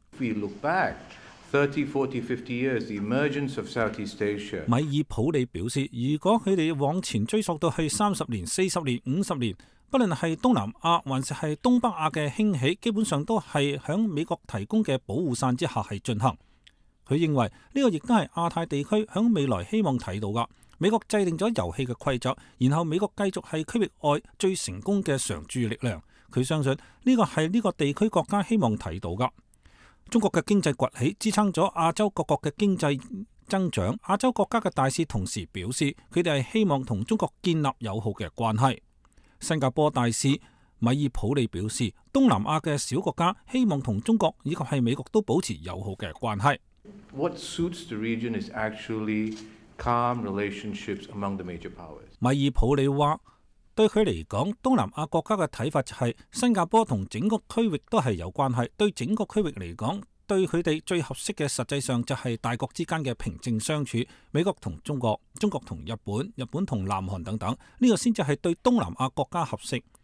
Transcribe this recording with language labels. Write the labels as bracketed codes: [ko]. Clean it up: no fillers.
[en] If we look back, 30, 40, 50 years, the emergence of Southeast Asia. [zh] 米尔普里表示，如果他们往前追溯到去30年、40年、50年， 不论是东南亚还是东北亚的兴起，基本上都是在美国提供的保护伞之下进行。他认为这个亦都是亚太地区在未来希望看到的。美国制定了游戏的规则，然后美国继续是区域外最成功的常驻力量。他相信这个是这个地区国家希望看到的。中国的经济崛起支撑了亚洲各国的经济增长，亚洲国家的大使同时表示他们希望与中国建立友好的关系。新加坡大使米尔普利表示，东南亚的小国家希望与中国以及美国都保持友好的关系。 [en] What suits the region is actually calm relationships among the major powers. [zh] 米尔普利说，对他来说，东南亚国家的看法就是新加坡和整个区域都是有关系，对整个区域来说，对他们最合适的实际上就是大国之间的平静相处，美国和中国，中国和日本，日本和南韩等等，这个才是对东南亚国家合适。